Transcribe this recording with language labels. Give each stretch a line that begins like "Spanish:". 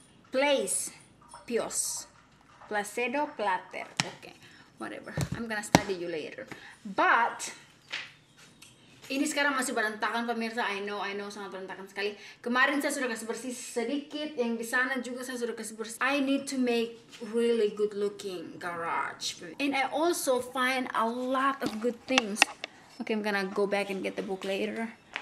English: Place, Pios, Placedo, Plater, okay, whatever, I'm gonna study you later, but,
Indonesian: Ini sekarang masih berantakan pemirsa,
English: I know
Indonesian: sangat berantakan sekali. Kemarin saya sudah kasih bersih sedikit, yang di sana juga saya sudah kasih bersih.
English: I need to make really good looking garage. And I also find a lot of good things. Okay, I'm gonna go back and get the book later.